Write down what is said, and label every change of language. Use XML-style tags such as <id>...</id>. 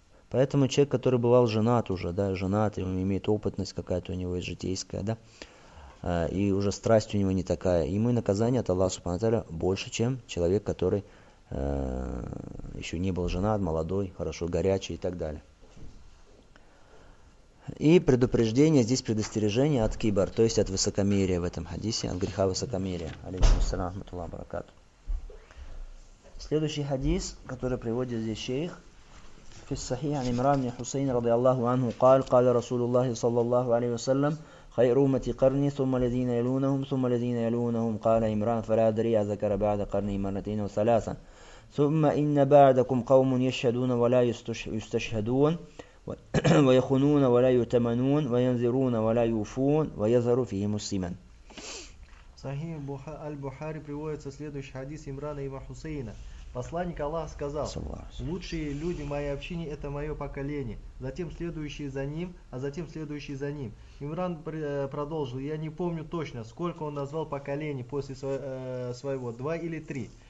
<ru>Поэтому человек, который бывал женат уже, да, женат, и он имеет опытность какая-то у него житейская, да, и уже страсть у него не такая, ему и наказание от Аллаха Субхану Тааля больше, чем человек, который еще не был женат, молодой, хорошо, горячий и так далее. И предупреждение, здесь предостережение от кибар, то есть от высокомерия в этом хадисе, от греха высокомерия. Алейкум ассалям ва рахматуллах ва баракату. Следующий хадис, который приводит здесь шейх, фис сахих ан имран ибн хусейн радиаллаху анху, قال расулуллах саллаллаху алейхи ва саллям:</ru> <ar>خير أمتي قرني ثم الذين يلونهم ثم الذين يلونهم قال عمران فلا أدري أذكر بعد قرني مرتين أو ثلاثا ثم إن بعدكم قوم يشهدون ولا يستشهدون ويخونون ولا يؤتمنون وينذرون ولا يوفون ويذر فيهم السمن.</ar> <ru>صحيح البخاري приводится следующий хадис Имрана и Хусейна. Посланник Аллаха сказал: лучшие люди моей общины – это мое поколение, затем следующие за ним, а затем следующие за ним. Имран продолжил: я не помню точно, сколько он назвал поколений после своего, два или три.</ru>